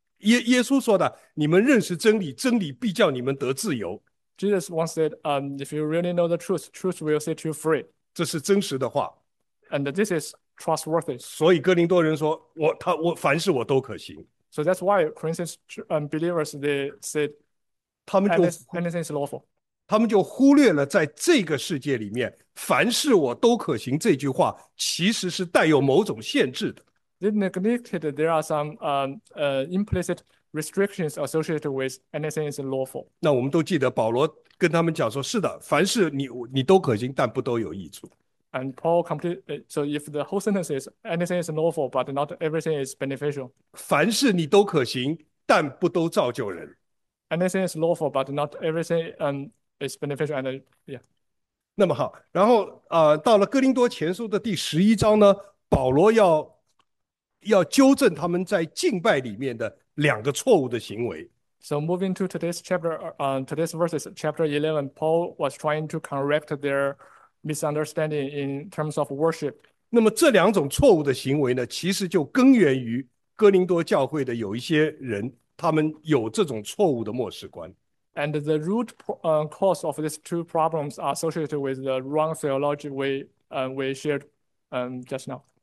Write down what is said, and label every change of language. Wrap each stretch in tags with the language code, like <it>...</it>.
<zh>耶稣说的，你们认识真理，真理必叫你们得自由。</zh> <en>Jesus once said, if you really know the truth, truth will set you free.</en> <zh>这是真实的话。</zh> <en>And this is trustworthy.</en> <zh>所以哥林多人说，我凡事我都可行。</zh> <en>So that's why Corinthians believers they said anything is lawful.</en> <zh>他们就忽略了在这个世界里面，凡事我都可行这句话，其实是带有某种限制的。</zh> <en>They neglected there are some implicit restrictions associated with anything is lawful.</en> <zh>那我们都记得保罗跟他们讲说：“是的，凡事你都可行，但不都有益处。</zh> <en>And Paul completely, so if the whole sentence is anything is lawful, but not everything is beneficial.</en> <zh>凡事你都可行，但不都造就人。</zh> <en>Anything is lawful, but not everything is beneficial. And yeah.</en> <zh>”那么好，然后到了哥林多前书的第十一章呢，保罗要纠正他们在敬拜里面的两个错误的行为。</zh> <en>So moving to today's chapter, today's verses, chapter 11, Paul was trying to correct their misunderstanding in terms of worship.</en> <zh>那么这两种错误的行为呢，其实就根源于哥林多教会的有一些人，他们有这种错误的漠视观。</zh> <en>And the root cause of these two problems are associated with the wrong theology we shared just now.</en>